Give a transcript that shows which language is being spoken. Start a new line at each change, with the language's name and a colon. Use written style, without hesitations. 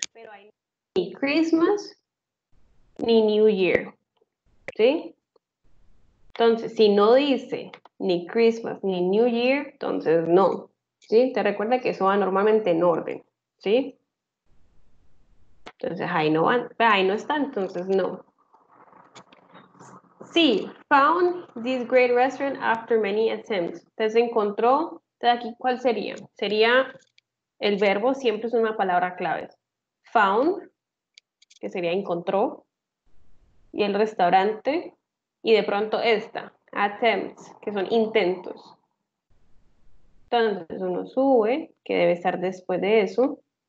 Spanish: Pero hay ni Christmas ni New Year, ¿sí? Entonces, si no dice ni Christmas ni New Year, entonces no, ¿sí? Te recuerda que eso va normalmente en orden, ¿sí? Entonces, ahí no van, ahí no está, entonces no.
English: Sí, found this great restaurant after many attempts.
Spanish: Entonces, encontró... Entonces aquí, ¿cuál sería? Sería el verbo, siempre es una palabra clave. Found, que sería encontró. Y el restaurante. Y de pronto esta, attempts, que son intentos. Entonces uno sube, que debe estar después de eso.